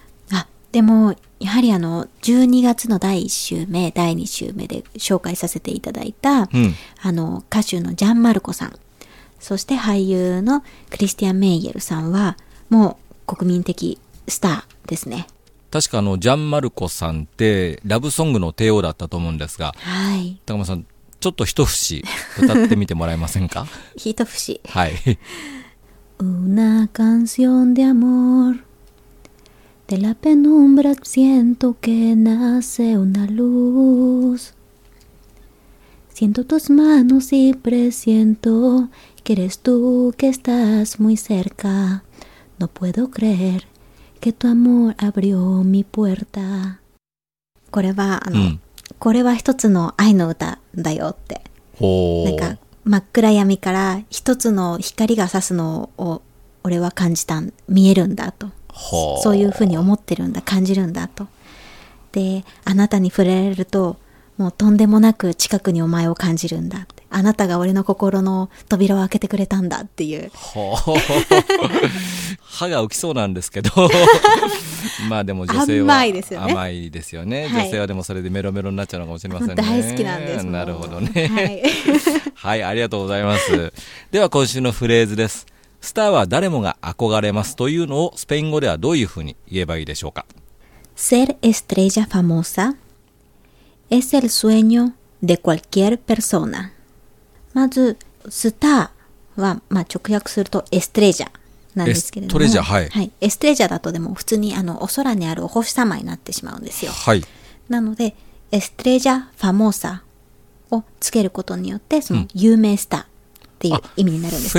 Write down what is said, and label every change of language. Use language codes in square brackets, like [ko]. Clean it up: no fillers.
[ja] あ、でもやはり12月の第1週目第2週目で紹介させていただいた、歌手のジャン・マルコさん、そして俳優のクリスティアン・メイエルさんはもう国民的スターですね。確かジャン・マルコさんってラブソングの帝王だったと思うんですが、はい、高山さんちょっと一節歌ってみてもらえませんか？一節、はい。 [es] Una canción de amor De la penumbra siento que nace una luz Siento tus manos y presiento Que eres tú que estás muy cerca No puedo creerQue tu amor abrió mi puerta. [ja] これは、これは一つの愛の歌だよって。ほう。なんか真っ暗闇から一つの光が差すのを俺は感じた、見えるんだと。ほう。そういうふうに思ってるんだ、感じるんだと。で、あなたに触れられると、もうとんでもなく近くにお前を感じるんだって。あなたが俺の心の扉を開けてくれたんだっていう。ほう。歯が浮きそうなんですけど。まあでも女性は甘いですよね。甘いですよね、はい、女性はでもそれでメロメロになっちゃうのかもしれませんね。大好きなんですね。なるほどね。はい。はい、ありがとうございます。では今週のフレーズです。スターは誰もが憧れますというのをスペイン語ではどういうふうに言えばいいでしょうか？ [es] Ser estrella famosa es el sueño de cualquier persona。 [ja] まずスターは、まあ、直訳するとエストレジャなんですけれども、エストレジャ、はいはい、エストレジャだとでも普通にお空にあるお星様になってしまうんですよ、はい、なのでエストレジャファモーサをつけることによってその有名スターっていう意味になるんです